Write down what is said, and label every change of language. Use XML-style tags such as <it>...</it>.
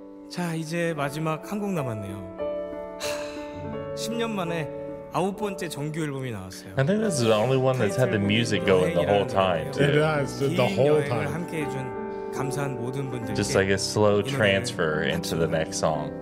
<ko>자 이제 마지막 한 곡 남았네요 10년 만에 아홉 번째 정규 앨범이 나왔어요.</ko> <en>I think this is the only one that's had the music going the whole time. It has the whole time.</en> <ko>함께 해준 감사한 모든 분들.</ko> <en>Just like a slow transfer into the next song.</en>